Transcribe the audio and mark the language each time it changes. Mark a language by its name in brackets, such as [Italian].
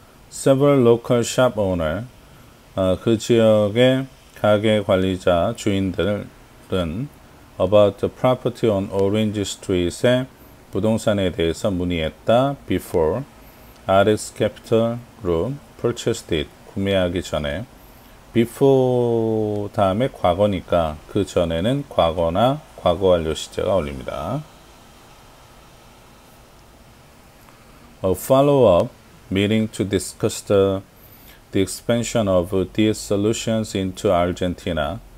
[English] Several local shop owner, [Korean] 그 지역의 가게 관리자 주인들은 [English] about the property on Orange Street의 [Korean] 부동산에 대해서 문의했다. [English] Before RS Capital Group purchased it, [Korean] 구매하기 전에. Before 다음에 과거니까 그 전에는 과거나 과거 완료 시제가 어울립니다. [English] A follow-up meeting to discuss the expansion of DS Solutions into Argentina.